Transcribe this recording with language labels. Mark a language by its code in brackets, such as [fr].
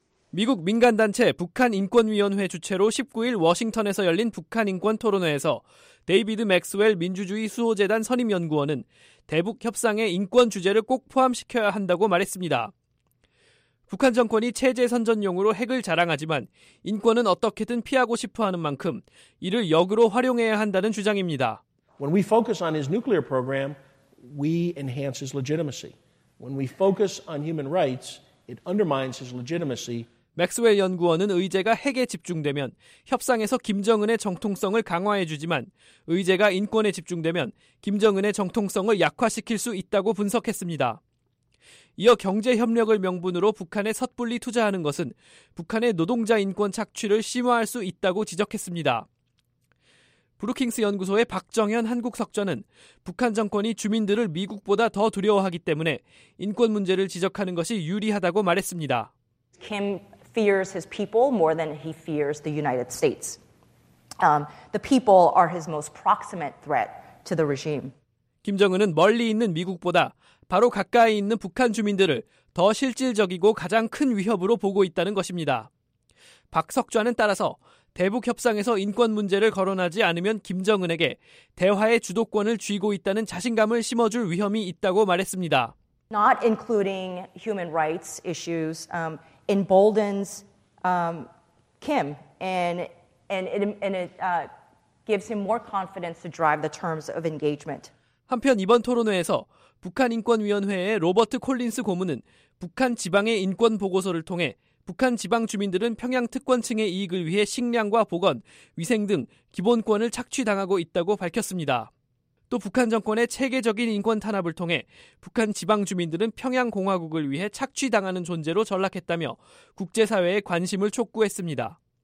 [ko] 미국 민간단체 북한인권위원회 주최로 19일 워싱턴에서 열린 북한인권토론회에서 데이비드 맥스웰 민주주의 수호재단 선임연구원은 대북 협상에 인권 주제를 꼭 포함시켜야 한다고 말했습니다. 북한 정권이 체제 선전용으로 핵을 자랑하지만 인권은 어떻게든 피하고 싶어하는 만큼 이를 역으로 활용해야 한다는 주장입니다. [en] When we focus on his nuclear program, we enhance his legitimacy. When we focus on human rights, it undermines his legitimacy. [ko] 맥스웰 연구원은 의제가 핵에 집중되면 협상에서 김정은의 정통성을 강화해 주지만 의제가 인권에 집중되면 김정은의 정통성을 약화시킬 수 있다고 분석했습니다. 이어 경제협력을 명분으로 북한에 섣불리 투자하는 것은 북한의 노동자 인권 착취를 심화할 수 있다고 지적했습니다. 브루킹스 연구소의 박정현 한국석좌는 북한 정권이 주민들을 미국보다 더 두려워하기 때문에 인권 문제를 지적하는 것이 유리하다고 말했습니다. [en] Kim fears his people more than he fears the United States. The people are his most proximate threat to the regime. [ko] 김정은은 멀리 있는 미국보다 바로 가까이 있는 북한 주민들을 더 실질적이고 가장 큰 위협으로 보고 있다는 것입니다. 박석좌는 따라서 대북 협상에서 인권 문제를 거론하지 않으면 김정은에게 대화의 주도권을 쥐고 있다는 자신감을 심어줄 위험이 있다고 말했습니다. [en] Not including human rights issues emboldens Kim and it gives him more confidence to drive the terms of engagement. [ko] 한편 이번 토론회에서 북한인권위원회의 로버트 콜린스 고문은 북한 지방의 인권 보고서를 통해 북한 지방 주민들은 평양 특권층의 이익을 위해 식량과 보건, 위생 등 기본권을 착취당하고 있다고 밝혔습니다. 또 북한 정권의 체계적인 인권 탄압을 통해 북한 지방 주민들은 평양공화국을 위해 착취당하는 존재로 전락했다며 국제사회의 관심을 촉구했습니다.